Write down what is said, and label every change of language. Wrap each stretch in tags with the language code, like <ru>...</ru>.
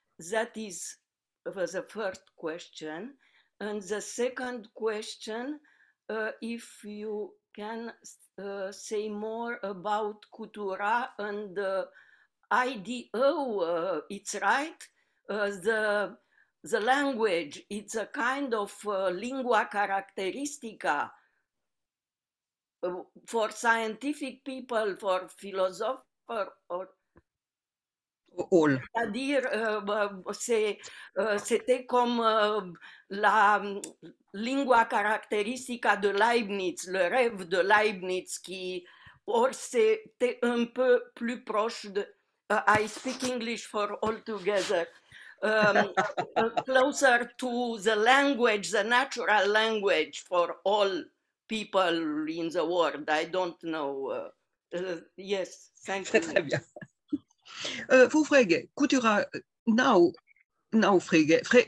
<en>That is the first question. And the second question, if you can say more about Couturat and IDO, it's right, the language, it's a kind of lingua characteristica for scientific people, for philosopher, or all.</en> <fr>C'est-à-dire, c'était comme la lingua characteristica de Leibniz, le rêve de Leibniz, qui, or c'était un peu plus proche de...</fr> <en>I speak English for all together. closer to the language, the natural language for all people in the world. I don't know. Yes, thank you.</en> <fr>Très bien. Vous, Frege, Couturat,</fr> <en>now</en> <fr>Frege.</fr>